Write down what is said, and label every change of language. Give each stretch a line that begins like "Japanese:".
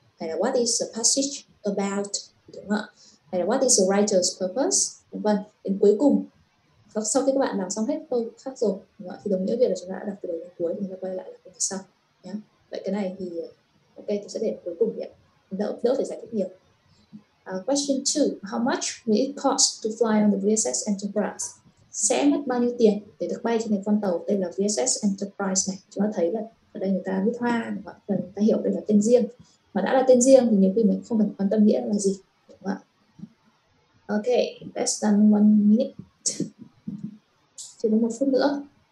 Vietnamese: Hay là
English: what is the passage about,
Vietnamese: đúng không ạ? Hay là
English: what is the writer's purpose,
Vietnamese: đúng không? Đến cuối cùng, sau khi các bạn làm xong hết câu khác rồi, đúng không? Thì đồng nghĩa việc là chúng ta đã đọc từ đầu đến cuối, chúng ta quay lại là câu phía sau nhá. Vậy cái này thì ok, tôi sẽ để cuối cùng vậy, đỡ phải giải thích nhiều.
English: Question 2, how much will it cost to fly on the VSS Enterprise?
Vietnamese: Sẽ mất bao nhiêu tiền để được bay trên cái con tàu tên là VSS Enterprise này? Chúng ta thấy là ở đây người ta viết hoa, người ta hiểu đây là tên riêng. Mà đã là tên riêng thì nhiều khi mình không cần quan tâm nghĩa là gì, đúng không ạ?
English: Ok, less than 1 minute.
Vietnamese: Chỉ có 1 phút nữa.